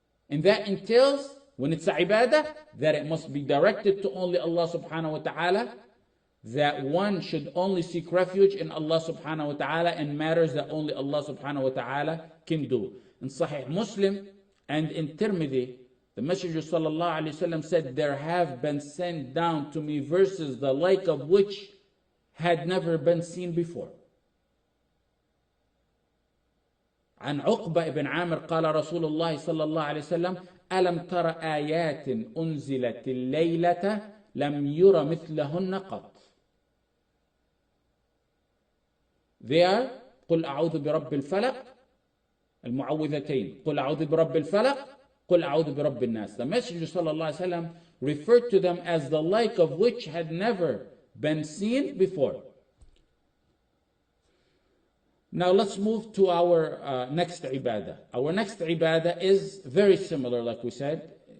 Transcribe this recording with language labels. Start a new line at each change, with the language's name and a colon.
English: And that entails, when it's a ibadah, that it must be directed to only Allah subhanahu wa ta'ala, that one should only seek refuge in Allah subhanahu wa ta'ala in matters that only Allah subhanahu wa ta'ala can do. In Sahih Muslim and in Tirmidhi, the Messenger sallallahu alayhi wa sallam said, there have been sent down to me verses the like of which had never been seen before.
Arabic: عن عقبة بن عامر قال رسول الله صلى الله عليه وسلم ألم تر آيات أنزلت الليلة لم يرى مثلهن قط. There, قل أعوذ برب الفلق المعوذتين. قل أعوذ برب الفلق. قل أعوذ برب الناس.
English: The Messenger صلى الله عليه وسلم referred to them as the like of which had never been seen before. Now let's move to our next ibadah. Our next ibadah is very similar, like we said.